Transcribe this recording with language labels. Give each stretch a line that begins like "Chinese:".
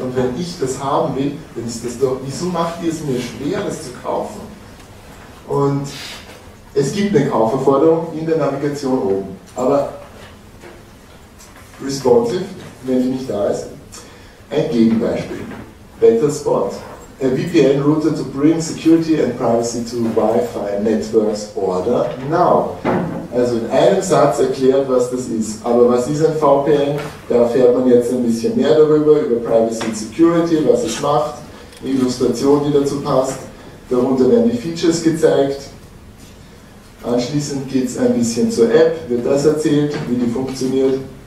German: Und wenn ich das haben will, dann ist das doch, wieso macht ihr es mir schwer, das zu kaufen? Und es gibt eine Kaufaufforderung in der Navigation oben. Aber responsive, wenn die nicht da ist. Ein Gegenbeispiel. Better Spot.
English: A VPN router to bring security and privacy to Wi-Fi networks order now.
German: Also in einem Satz erklärt, was das ist. Aber was ist ein VPN? Da erfährt man jetzt ein bisschen mehr darüber, über
English: Privacy and Security,
German: was es macht, eine Illustration, die dazu passt. Darunter werden die Features gezeigt. Anschließend geht es ein bisschen zur App, wird das erzählt, wie die funktioniert.